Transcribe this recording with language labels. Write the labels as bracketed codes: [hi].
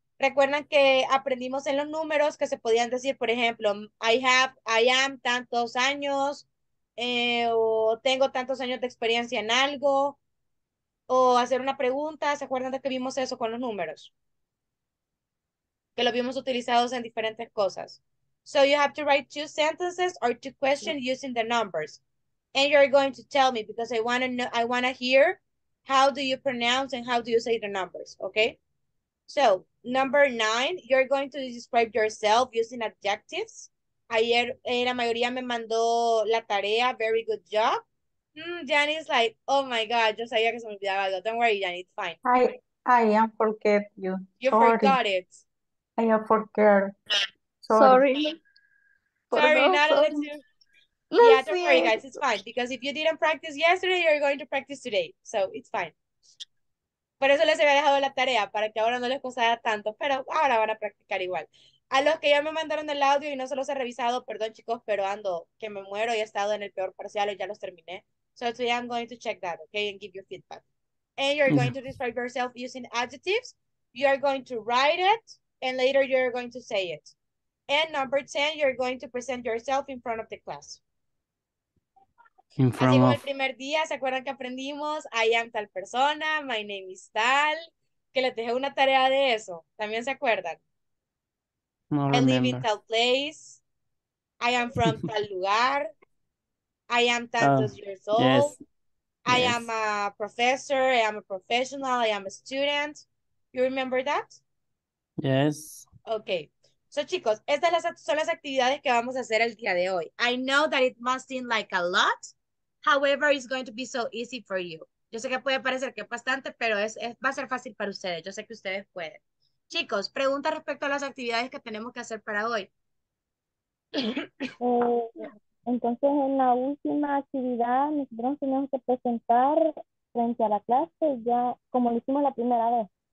[es] Recuerdan que aprendimos en los números que se podían decir, por ejemplo, [en] I am [es] tantos años, o tengo tantos años de experiencia en algo, o hacer una pregunta. ¿Se acuerdan de que vimos eso con los números? Que los vimos utilizados en diferentes cosas. [en] So you have to write two sentences or two questions using the numbers. And you're going to tell me because I wanna hear how do you pronounce and how do you say the numbers, okay? So number nine, you're going to describe yourself using adjectives. [es] Ayer la mayoría me mandó la tarea, [en] very good job. Jani is like, oh my God, [es] yo sabía que se me olvidaba algo. [en] Don't worry, Jani, it's fine. I am forget you. You Sorry. Forgot it. I am forget. Sorry. Sorry, not yeah, don't worry, guys. It's fine. Because if you didn't practice yesterday, you're going to practice today. So it's fine. [es] Por eso les había dejado la tarea, para que ahora no les costara tanto. Pero ahora van a practicar igual. A los que ya me mandaron el audio y no se los he revisado, perdón, chicos, pero ando, que me muero y he estado en el peor parcial y ya los terminé. [en] So today I'm going to check that, okay, and give you feedback. And you're going to describe yourself using adjectives. You are going to write it, and later you're going to say it. And number 10, you're going to present yourself in front of the class. In front [es] así como el primer día, ¿se acuerdan que aprendimos? [en] I am [es] tal persona, [en] my name is [es] tal. Que les dejé una tarea de eso. ¿También se acuerdan? [en] No I remember. I live in tal place. I am from [es] tal lugar. [en] I am tantos years old. Yes. I am a professor. I am a professional. I am a student. You remember that? Yes. Okay. [es] So, chicos, estas son las actividades que vamos a hacer el día de hoy. [en] I know that it must seem like a lot. However, it's going to be so easy for you. [es] Yo sé que puede parecer que es bastante, pero va a ser fácil para ustedes. Yo sé que ustedes pueden. Chicos, pregunta respecto a las actividades que tenemos que hacer para hoy. Entonces, en la última actividad, nosotros tenemos que presentar frente a la clase, ya como lo hicimos la primera vez.